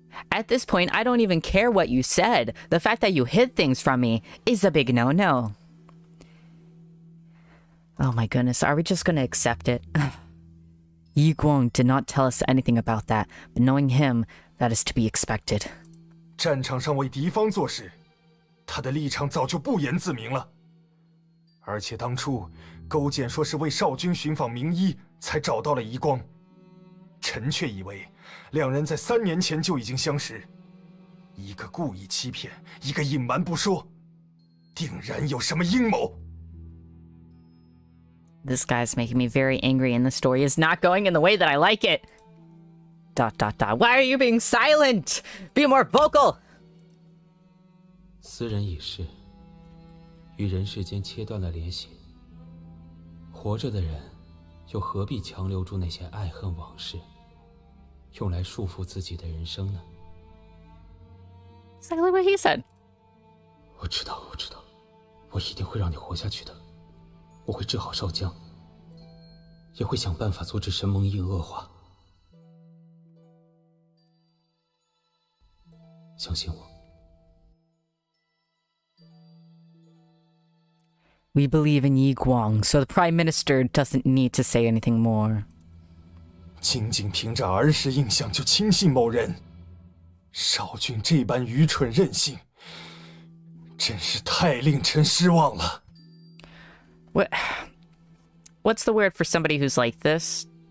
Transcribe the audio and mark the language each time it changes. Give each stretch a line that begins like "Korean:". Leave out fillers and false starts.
English: At this point, I don't even care what you said. The fact that you hid things from me is a big no-no. Oh my goodness, are we just gonna accept it? Yi Guang did not tell us anything about that, but knowing him, that is to be expected.
Chinese: 战场上为敌方做事，他的立场早就不言自明了。而且当初，勾践说是为少君寻访名医，才找到了Yi Guang。臣却以为两人在三年前就已经相识，一个故意欺骗，一个隐瞒不说，定然有什么阴谋。
English: This guy is making me very angry, and the story is not going in the way that I like it. Dot dot dot. Why are you being silent? Be more vocal.
Chinese: 私人已逝，与人世间切断了联系。活着的人，又何必强留住那些爱恨往事？用来束缚自己的人生呢？
English: Exactly what he said.
Chinese: 我知道，我知道，我一定会让你活下去的。我会治好少将，也会想办法阻止神盟印恶化。相信我。
English: We believe in Yi Guang, so the Prime Minister doesn't need to say anything more.
Chinese: 仅仅凭着儿时印象就轻信某人，少君这般愚蠢任性，真是太令臣失望了。
English: What's the word for somebody who's like this?